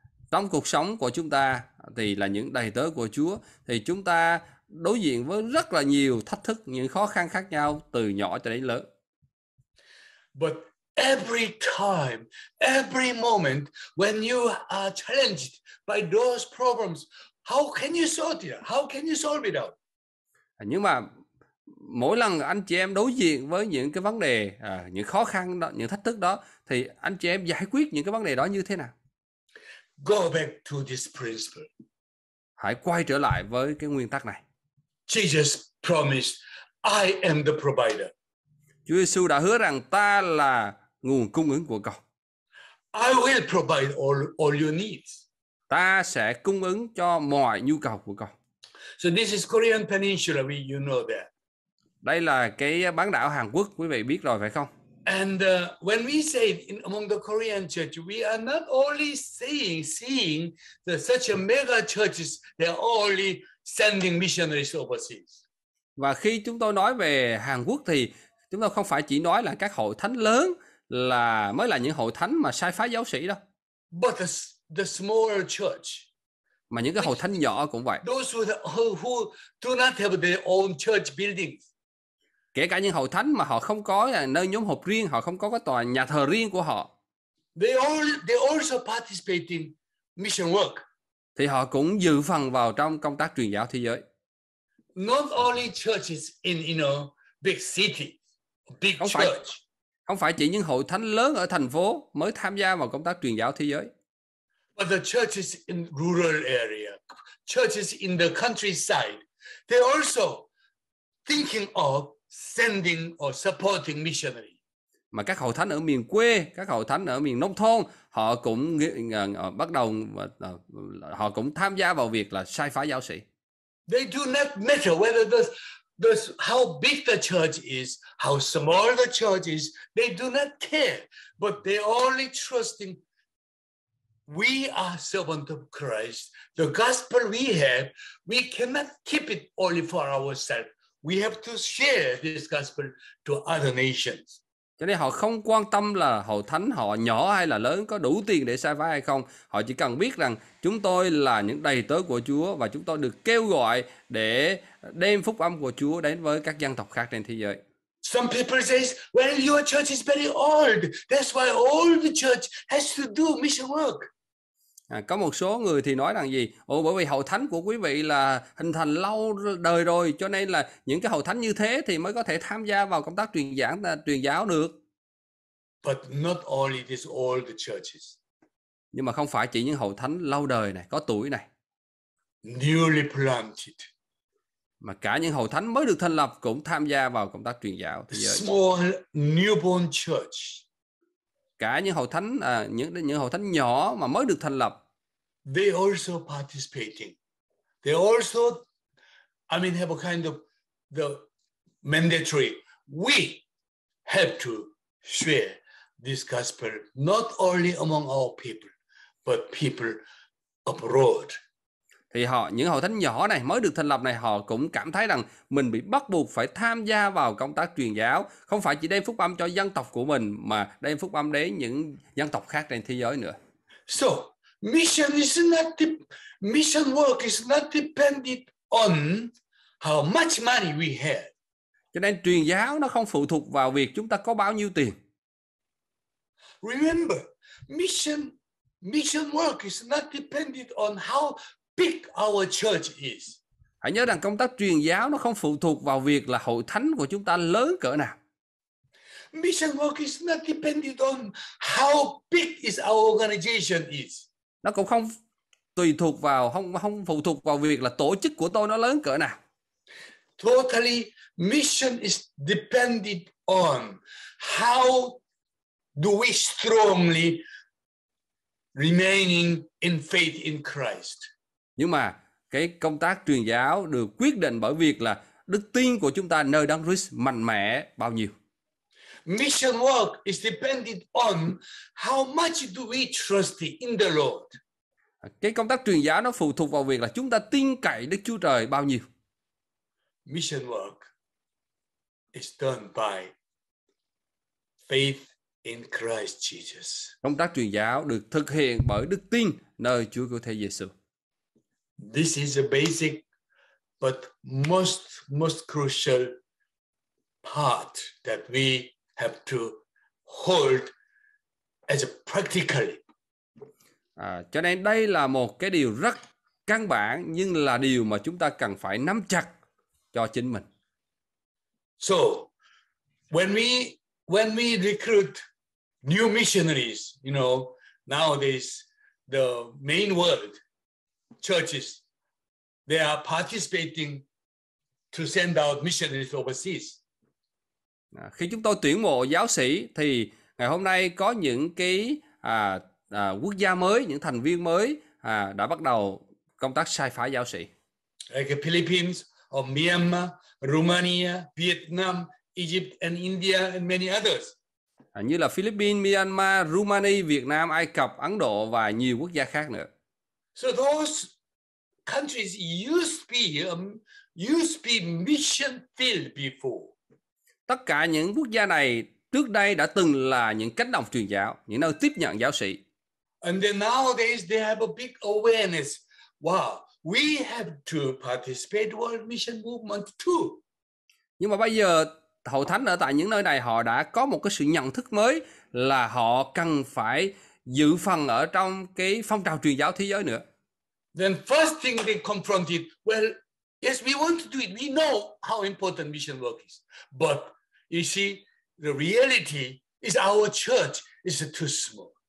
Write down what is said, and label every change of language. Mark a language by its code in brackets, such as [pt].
[vi] Trong cuộc sống của chúng ta thì là những đầy tớ của Chúa, thì chúng ta đối diện với rất là nhiều thách thức, những khó khăn khác nhau từ nhỏ cho đến lớn. [en] But every time, every moment when you are challenged by those problems, how can you solve it? How can you solve it out? [vi] Nhưng mà mỗi lần anh chị em đối diện với những cái vấn đề, những khó khăn đó, những thách thức đó, thì anh chị em giải quyết những cái vấn đề đó như thế nào? [en] Go back to this principle. [vi] Hãy quay trở lại với cái nguyên tắc này. [en] Jesus promised, I am the provider. [vi] Chúa Giêsu đã hứa rằng ta là nguồn cung ứng của con. [en] I will provide all your needs. [vi] Ta sẽ cung ứng cho mọi nhu cầu của con. [en] So this is Korean Peninsula, you know that. [vi] Đây là cái bán đảo Hàn Quốc, quý vị biết rồi phải không? [en] And when we say in among the Korean church, we are not only seeing the such a mega churches, they are only sending missionaries overseas. [vi] Và khi chúng tôi nói về Hàn Quốc thì chúng tôi không phải chỉ nói là các hội thánh lớn là mới là những hội thánh mà sai phái giáo sĩ đâu. [en] But the smaller church. [vi] Mà những cái hội thánh nhỏ cũng vậy. [en] Those who do not have their own church buildings. [vi] Kể cả những hội thánh mà họ không có nơi nhóm họp riêng, họ không có cái tòa nhà thờ riêng của họ. [en] They also participate in mission work. [vi] Thì họ cũng dự phần vào trong công tác truyền giáo thế giới. [en] Not only churches in, you know, big city, big [vi] không [en] church. [vi] Không phải chỉ những hội thánh lớn ở thành phố mới tham gia vào công tác truyền giáo thế giới. [en] But the churches in rural area, churches in the countryside, they also thinking of sending or supporting missionaries. [vi] Mà các hội thánh ở miền quê, các hội thánh ở miền nông thôn, họ cũng bắt đầu, họ cũng tham gia vào việc là sai phái giáo sĩ. [en] They do not matter whether how big the church is, how small the church is, they do not care. But they only trusting we are servant of Christ. The gospel we have, we cannot keep it only for ourselves. We have to share this gospel to other nations. [vi] Cho nên họ không quan tâm là hội thánh họ nhỏ hay là lớn, có đủ tiền để sai phái hay không. Họ chỉ cần biết rằng chúng tôi là những đầy tớ của Chúa và chúng tôi được kêu gọi để đem phúc âm của Chúa đến với các dân tộc khác trên thế giới. [en] Some people say, well, your church is very old. That's why old church has to do mission work. [vi] Có một số người thì nói rằng gì? Bởi vì hội thánh của quý vị là hình thành lâu đời rồi, cho nên là những cái hội thánh như thế thì mới có thể tham gia vào công tác truyền giáo được. [en] But not only these old churches. [vi] Nhưng mà không phải chỉ những hội thánh lâu đời này, có tuổi này. [en] Newly planted. [vi] mà cả những hội thánh mới được thành lập cũng tham gia vào công tác truyền giáo. [en] Small newborn church. [vi] Cả những hội thánh những hội thánh nhỏ mà mới được thành lập. [en] They also participating. They also, I mean, have a kind of the mandatory. We have to share this gospel not only among our people, but people abroad. [vi] Thì họ, những hội thánh nhỏ này mới được thành lập này, họ cũng cảm thấy rằng mình bị bắt buộc phải tham gia vào công tác truyền giáo, không phải chỉ đem phúc âm cho dân tộc của mình mà đem phúc âm đến những dân tộc khác trên thế giới nữa. [en] So mission is not the, mission work is not dependent on how much money we have. [vi] Cho nên truyền giáo nó không phụ thuộc vào việc chúng ta có bao nhiêu tiền. [en] Remember, mission work is not dependent on how big our church is. [vi] Hãy nhớ rằng công tác truyền giáo nó không phụ thuộc vào việc là hội thánh của chúng ta lớn cỡ nào. [en] Mission work is not dependent on how big is our organization is. [vi] Nó cũng không tùy thuộc vào, không phụ thuộc vào việc là tổ chức của tôi nó lớn cỡ nào. [en] Totally, mission is dependent on how do we strongly remaining in faith in Christ. [vi] Nhưng mà cái công tác truyền giáo được quyết định bởi việc là đức tin của chúng ta nơi Đấng Christ mạnh mẽ bao nhiêu. [en] Mission work is dependent on how much do we trust in the Lord. [vi] Cái công tác truyền giáo nó phụ thuộc vào việc là chúng ta tin cậy Đức Chúa Trời bao nhiêu. [en] Mission work is done by faith in Christ Jesus. [vi] Công tác truyền giáo được thực hiện bởi đức tin nơi Chúa Cứu Thế Giêsu. [en] This is a basic but most crucial part that we have to hold as a practically. [vi] Cho nên đây là một cái điều rất căn bản nhưng là điều mà chúng ta cần phải nắm chặt cho chính mình. [en] So when we recruit new missionaries, you know, nowadays the main world churches, they are participating to send out missionaries overseas. [vi] Khi chúng tôi tuyển mộ giáo sĩ thì ngày hôm nay có những cái quốc gia mới, những thành viên mới đã bắt đầu công tác sai phái giáo sĩ. [en] Like the Philippines, or Myanmar, Romania, Vietnam, Egypt and India and many others. [vi] Như là Philippines, Myanmar, Romania, Vietnam, Ai Cập, Ấn Độ và nhiều quốc gia khác nữa. [en] So those countries used to be mission field before. [vi] Tất cả những quốc gia này trước đây đã từng là những cánh đồng truyền giáo, những nơi tiếp nhận giáo sĩ. [en] And then nowadays they have a big awareness. Wow, we have to participate world mission movement too. [vi] Nhưng mà bây giờ hội thánh ở tại những nơi này họ đã có một cái sự nhận thức mới là họ cần phải dự phần ở trong cái phong trào truyền giáo thế giới nữa. [en] Then first thing they confronted, well, yes, we want to do it. We know how important mission work is. But you see, the reality is our church is too small.